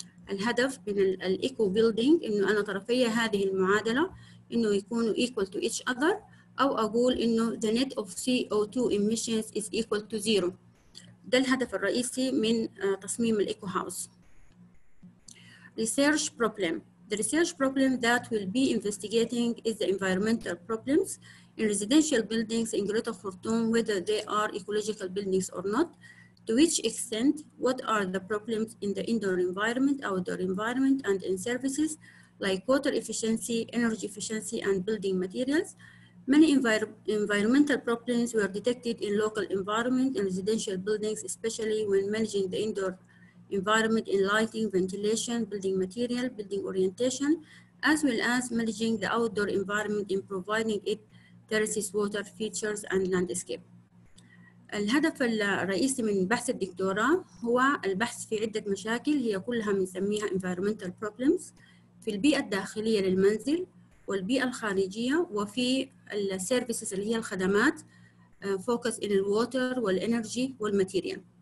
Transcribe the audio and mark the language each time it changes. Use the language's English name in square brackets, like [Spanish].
[Arabic] الهدف من الايكو بيلدينج انه انا طرفي هذه المعادله انه يكونوا ايكوال تو ايتش اذر، او اقول انه [English] the net of CO2 emissions is equal to zero. [Arabic] ده الهدف الرئيسي من تصميم الايكو هاوس. [English] Research problem. The research problem that will be investigating is the environmental problems in residential buildings in Greater Khartoum, whether they are ecological buildings or not. To which extent, what are the problems in the indoor environment, outdoor environment, and in services like water efficiency, energy efficiency, and building materials? Many environmental problems were detected in local environment and residential buildings, especially when managing the indoor environment in lighting, ventilation, building material, building orientation, as well as managing the outdoor environment in providing it terraces, water features, and landscape. [Arabic] الهدف الرئيسي من بحث الدكتوراه هو البحث في عدة مشاكل هي كلها بنسميها [English] environmental problems [Arabic] في البيئة الداخلية للمنزل والبيئة الخارجية وفي السيرفيسز اللي هي الخدمات [English] focus in the water [Arabic] والenergy والmaterial.